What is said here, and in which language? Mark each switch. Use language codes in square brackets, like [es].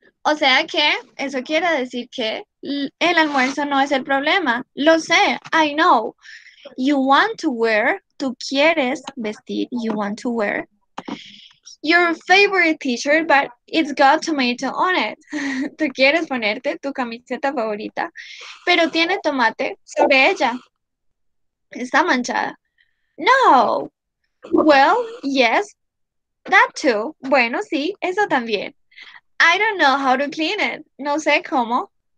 [es] O sea que, eso quiere decir que el almuerzo no es el problema. Lo sé. [en] I know. You want to wear. [es] Tú quieres vestir. [en] You want to wear your favorite t-shirt, but it's got tomato on it. [es] Tú quieres ponerte tu camiseta favorita, pero tiene tomate sobre ella. Está manchada. [en] No. Well, yes, that too. [es] Bueno, sí, eso también. [en] I don't know how to clean it. [es] No sé cómo.